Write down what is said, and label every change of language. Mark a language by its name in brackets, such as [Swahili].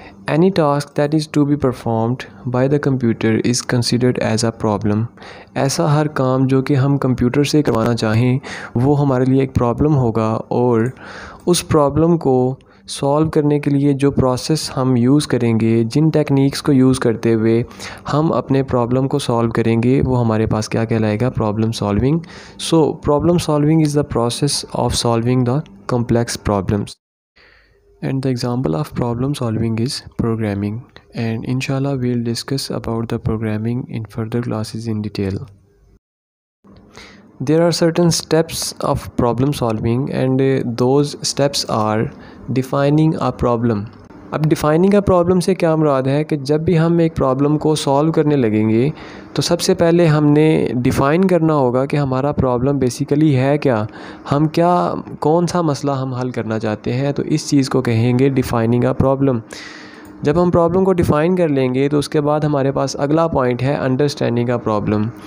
[English] Any task that is to be performed by the computer is considered as a problem. [Urdu] ایسا ہر کام جو کہ ہم computer سے کروانا چاہیں وہ ہمارے لیے ایک پرابلم ہوگا, اور اس پرابلم کو سالو کرنے کے لیے جو پروسیس ہم یوز کریں گے, جن ٹیکنیکس کو یوز کرتے ہوئے ہم اپنے پرابلم کو سالو کریں گے, وہ ہمارے پاس کیا کہلائے گا, problem solving. [English] So problem solving is the process of solving the complex problems. And the example of problem solving is programming. And inshallah we'll discuss about the programming in further classes in detail. There are certain steps of problem solving, and those steps are defining a problem. [Urdu] اب defining a problem سے کیا مراد ہے, کہ جب بھی ہم ایک problem کو سالو کرنے لگیں گے تو سب سے پہلے ہم نے ڈیفائن کرنا ہوگا کہ ہمارا پرابلم بیسیکلی ہے کیا, ہم کیا, کون سا مسئلہ ہم حل کرنا چاہتے ہیں. تو اس چیز کو کہیں گے ڈیفائننگ اے پرابلم. جب ہم پرابلم کو ڈیفائن کر لیں گے تو اس کے بعد ہمارے پاس اگلا پوائنٹ ہے انڈرسٹینڈنگ اے پرابلم.